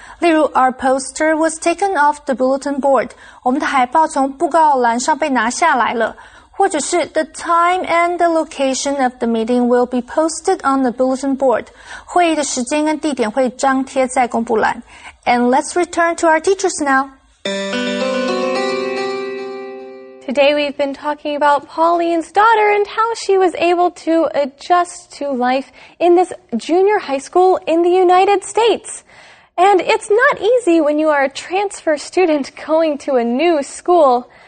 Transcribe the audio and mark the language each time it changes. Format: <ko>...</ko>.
<zh>例如</zh> <en>，Our poster was taken off the bulletin board.</en> <zh>我们的海报从布告栏上被拿下来了。或者是</zh> <en>，The time and the location of the meeting will be posted on the bulletin board.</en> <zh>会议的时间跟地点会张贴在公布栏。</zh> <en>And let's return to our teachers now. Today we've been talking about Pauline's daughter and how she was able to adjust to life in this junior high school in the United States. And it's not easy when you are a transfer student going to a new school.</en>